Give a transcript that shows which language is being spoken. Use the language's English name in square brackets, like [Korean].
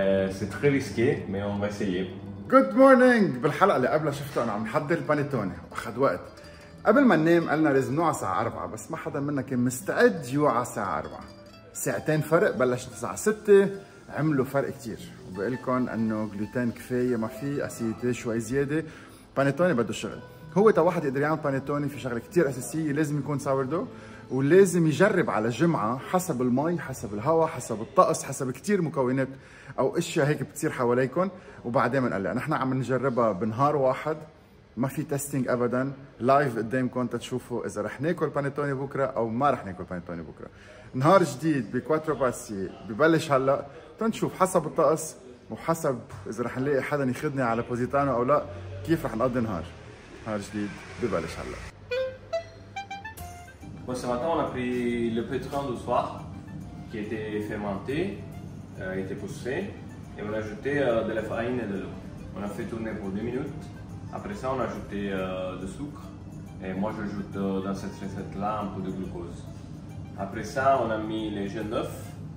[French] C'est très risqué, mais on va essayer. [English] Good morning! [Arabic] بالحلقة اللي قبلها شفت أنا عم حضر البانيتوني وأخذ وقت. قبل ما ننام قالنا لازم نوع الساعة 4 بس ما حدا منا كان مستعد يوعى الساعة 4. ساعتين فرق بلشت الساعة 6 عملوا فرق كتير. وبقول لكم إنه جلوتين كفاية ما في أسيتي شوي زيادة. بانيتوني بده شغل. هو تا واحد يقدر يعمل بانيتوني في شغلة كتير أساسية لازم يكون ساوردو. ولازم يجرب على جمعة حسب المي حسب الهواء حسب الطقس حسب كتير مكونات أو إشياء هيك بتصير حواليكم وبعدين منقلع. نحن عم نجربها بنهار واحد ما في تيستينج أبدا لايف قدامكم تتشوفوا إذا رح ناكل بانيتوني بكرة أو ما رح ناكل بانيتوني بكرة. نهار جديد بكواترو باسي ببلش هلأ تنشوف حسب الطقس وحسب إذا رح نلاقي حدا يخدني على بوزيتانو أو لا كيف رح نقضي نهار. نهار جديد ببلش هلأ. [French] Bon, ce matin, on a pris le pétrin du soir qui était fermenté, était poussé, et on a ajouté de la farine et de l'eau. On a fait tourner pour 2 minutes. Après ça, on a ajouté du sucre. Et moi, j'ajoute dans cette recette-là un peu de glucose. Après ça, on a mis les jaunes d'œufs.